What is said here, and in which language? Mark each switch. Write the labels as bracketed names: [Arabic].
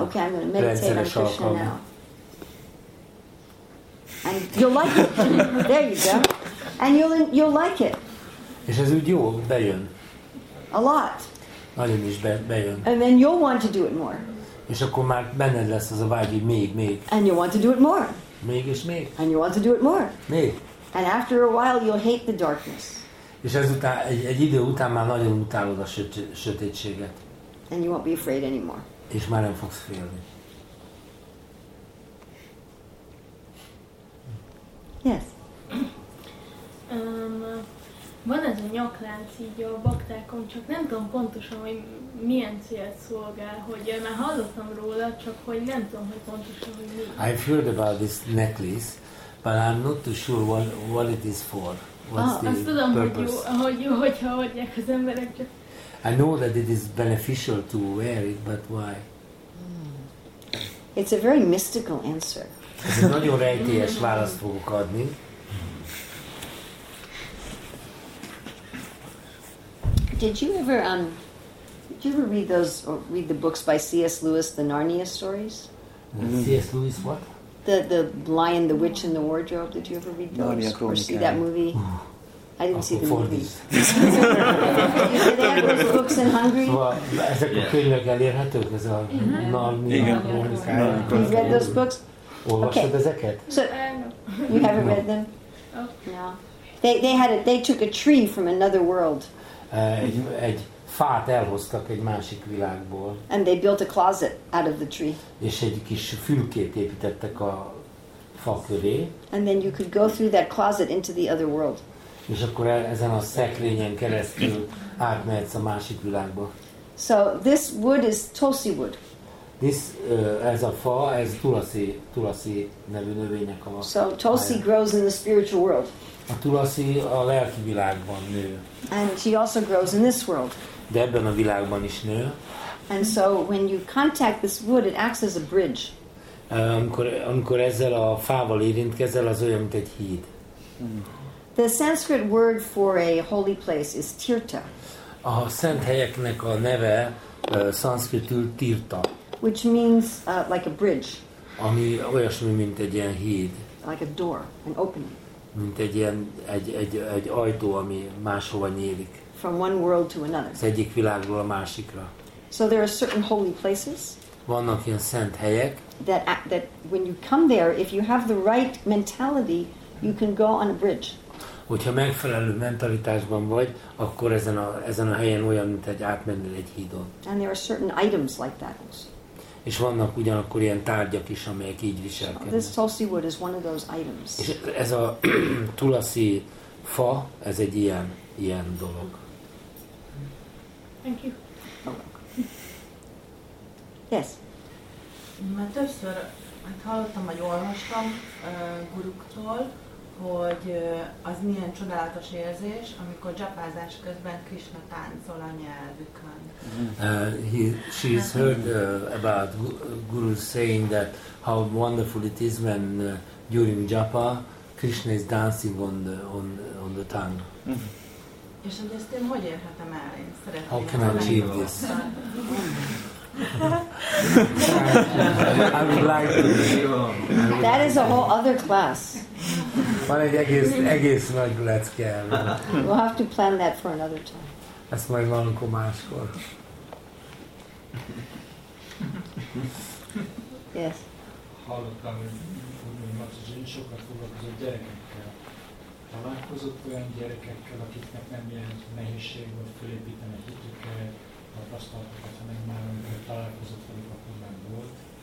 [English] Okay, I'm going to meditate on Krishna [Hungarian] alkalmak. [English] Now. And you'll like it. There you go. And you'll like it. [Hungarian] És ez úgy jó, bejön. [English] A lot. [Hungarian] Nagyon is bejön. [English] And then you'll want to do it more. [Hungarian] És akkor már benned lesz az a vágy, hogy még. [English] And you'll want to do it more. [Hungarian] Még és még. [English] And you want to do it more. [Hungarian] Még. [English] And after a while you'll hate the darkness. [Hungarian] És ezután, egy idő után már nagyon utálod a sötétséget. [English] And you won't be afraid anymore. [Hungarian] És már nem fogsz félni. [English] Yes. [Hungarian] Van ez a nyaklánc így a baktákon, csak nem tudom pontosan, hogy milyen célt szolgál, hogy már hallottam róla, csak hogy nem tudom, hogy pontosan, hogy mi. [English] I've heard about this necklace, but I'm not too sure what it is for. What's the purpose? [Hungarian] Azt tudom, [English] purpose? [Hungarian] Hogyha hagyják az emberek, csak... [English] I know that it is beneficial to wear it, but why? It's a very mystical answer. [Hungarian] Ez nagyon rejtélyes választ fogok adni. [English] Did you ever read those or read the books by C.S. Lewis, the Narnia stories? C.S. Lewis what? The Lion, the Witch and the Wardrobe. Did you ever read those or see that movie? I didn't see the movie. Did they have those books in Hungary? [Hungarian] Ezek a könyvek elérhetők, ez a Narnia [English] Chronicles. You read those books? [Hungarian] Olvastad ezeket? [English] So you haven't read them? No. They took a tree from another world. [Hungarian] Egy fát elhoztak egy másik világból. [English] And they built a closet out of the tree. [Hungarian] És egy kis fülkét építettek a fa köré. [English] And then you could go through that closet into the other world. [Hungarian] És akkor ezen a szekrényen keresztül átmehetsz a másik világba. [English] So this wood is tulsi wood. [Hungarian] Ez a fa, ez tulasi nevű növénynek a. [English] So tulsi grows in the spiritual world. [Hungarian] A tulasi a lelki világban nő. [English] And she also grows in this world. [Hungarian] De ebben a világban is nő. [English] And so when you contact this wood, it acts as a bridge. [Hungarian] Amikor ezzel a fával érintkezel, az olyan, mint egy híd. [English] The Sanskrit word for a holy place is tirtha. [Hungarian] A szent helyeknek a neve szanszkritul tirtha. [English] Which means like a bridge. [Hungarian] Ami olyasmi, mint egy ilyen híd. [English] Like a door, an opening. [Hungarian] Mint egy ilyen egy ajtó, ami máshova nyílik. [English] From one world to another. [Hungarian] Az egyik világról a másikra. [English] So there are certain holy places. [Hungarian] Vannak ilyen szent helyek. [English] That when you come there, if you have the right mentality, you can go on a bridge. [Hungarian] Hogyha megfelelő mentalitásban vagy, akkor ezen a helyen olyan, mint egy átmennél egy hídon. [English] And there are certain items like that also. [Hungarian] És vannak ugyanakkor ilyen tárgyak is, amelyek így viselkednek. [English] This tulsi wood is one of those items. [Hungarian] És ez a tulasi fa, ez egy ilyen dolog. [English] Thank you. Yes. [Hungarian] Mert többször hallottam, vagy olvastam guruktól, hogy az milyen csodálatos érzés, amikor dzsapázás közben Krishna táncol a nyelvükön. [English] She's heard about gurus saying that how wonderful it is when during japa Krishna is dancing on the tongue. [Hungarian] És hogy ezt én hogy érhetem el? Én szeretném. [English] How can I achieve this? I would like to That is a whole other class. [Hungarian] Van egy egész nagy lecke. [English] We'll have to plan that for another time. [Hungarian] Ezt majd valamikor máskor. [English] Yes. [Hungarian] Hallottam, hogy Matuzin sokat foglalkozott gyerekekkel. Találkozott olyan gyerekekkel, akiknek nem jelent nehézség volt fölépíteni a hitüket, tapasztalatokat, hanem már amikor találkozott velük, akkor nem volt.